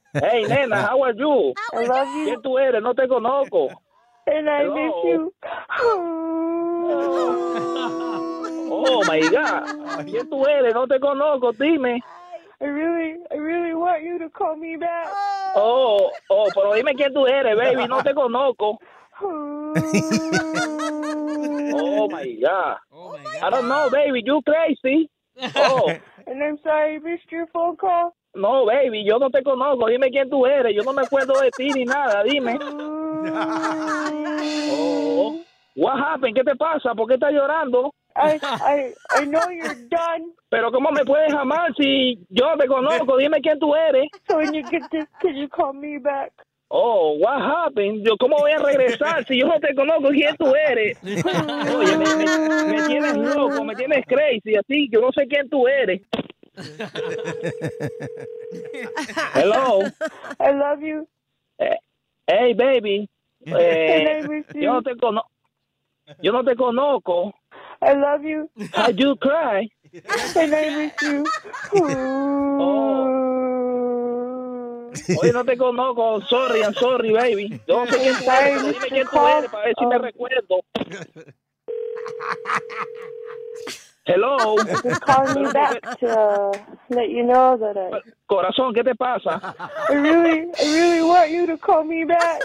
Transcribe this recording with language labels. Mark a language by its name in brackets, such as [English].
[English] Hey, nena, how are you? I love you. [Spanish] ¿Quién tú eres? No te conozco. [English] And I Hello. Miss you. Oh, my God. [Spanish] ¿Quién tú eres? No te conozco. Dime. [English] I really want you to call me back. [Spanish] Oh, pero dime quién tú eres, baby. No te conozco. [English] Oh, my God. I don't know, baby. You crazy. Oh. And I'm sorry, missed your phone call. [Spanish] No, baby, yo no te conozco. Dime quién tú eres. Yo no me acuerdo de ti ni nada. Dime. Oh. [English] What happened? [Spanish] ¿Qué te pasa? ¿Por qué estás llorando? [English] I know you're done. [Spanish] Pero ¿cómo me puedes amar si yo te conozco? Dime quién tú eres. [English] So when you get this, can you call me back? Oh, what happened? [Spanish] Yo, ¿cómo voy a regresar si yo no te conozco? ¿Quién tú eres? Oye, me tienes loco, me tienes crazy, así que no sé quién tú eres. [English] Hello. I love you. Hey, baby. [Spanish] Yo no te conozco. Yo no te conozco. [English] I love you. I do cry. And I miss you. [Spanish] Oye, no te conozco. [English] Sorry, I'm sorry, baby. [Spanish] Yo no sé quién tú eres. Dime quién tú eres para ver si me recuerdo. [English] Hello. Just calling me back to let you know that I... [Spanish] Corazón, ¿qué te pasa? [English] I really want you to call me back.